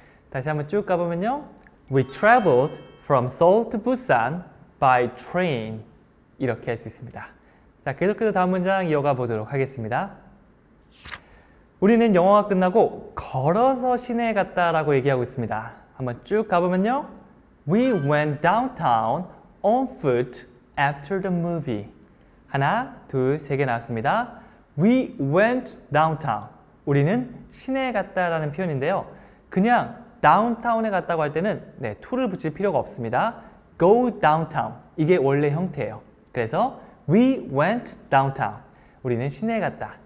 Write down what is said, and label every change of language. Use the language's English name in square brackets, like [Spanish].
[Korean] 다시 한번 쭉 가보면요. [English] We traveled from Seoul to Busan by train 이렇게 할 수 있습니다. [Korean] 자, 계속해서 다음 문장 이어가 보도록 하겠습니다. 우리는 영어가 끝나고 걸어서 시내에 갔다 라고 얘기하고 있습니다. 한번 쭉 가보면요. [English] We went downtown on foot after the movie. [Korean] 하나, 둘, 세 개 나왔습니다. [English] We went downtown. [Korean] 우리는 시내에 갔다 라는 표현인데요. 그냥 downtown에 갔다고 할 때는 네, to를 붙일 필요가 없습니다. [English] Go downtown. [Korean] 이게 원래 형태예요. 그래서 [English] We went downtown. [Korean] 우리는 시내에 갔다.